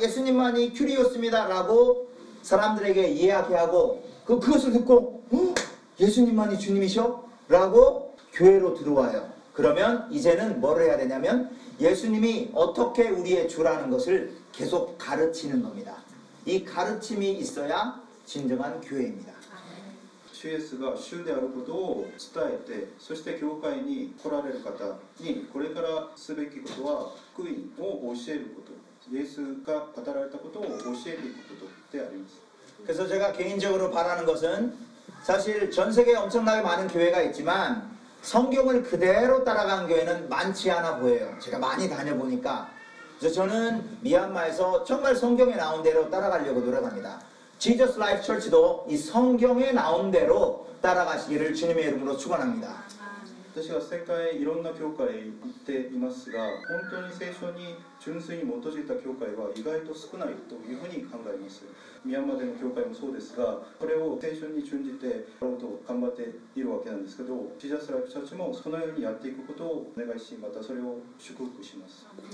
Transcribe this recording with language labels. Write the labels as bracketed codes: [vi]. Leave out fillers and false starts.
[ko] 예수님만이 큐리오스입니다라고 사람들에게 이야기하고 그것을 듣고 예수님만이 주님이셔? 라고 교회로 들어와요. 그러면 이제는 뭐를 해야 되냐면 예수님이 어떻게 우리의 주라는 것을 계속 가르치는 겁니다. 이 가르침이 있어야 진정한 교회입니다. 주예수가 [ja] 주であることを伝えて、そして教会に来られる方にこれからすべきことは福音を教えること、イエスが語られたことを教えていくことであります。 [ko] 그래서 제가 개인적으로 바라는 것은 사실 전 세계에 엄청나게 많은 교회가 있지만 성경을 그대로 따라간 교회는 많지 않아 보여요. 제가 많이 다녀보니까. 그래서 저는 미얀마에서 정말 성경에 나온 대로 따라가려고 노력합니다. 지저스 라이프 처치도 이 성경에 나온 대로 따라가시기를 주님의 이름으로 축원합니다. [ja] 私は世界いろんな教会行っていますが、本当に聖書に純粋に基づいた教会は意外と少ないというふうに考えます。ミャンマーでの教会もそうですが、これを聖書に準じてやろうと頑張っているわけなんですけど、ジーザスライフチャーチもそのようにやっていくことをお願いし、またそれを祝福します。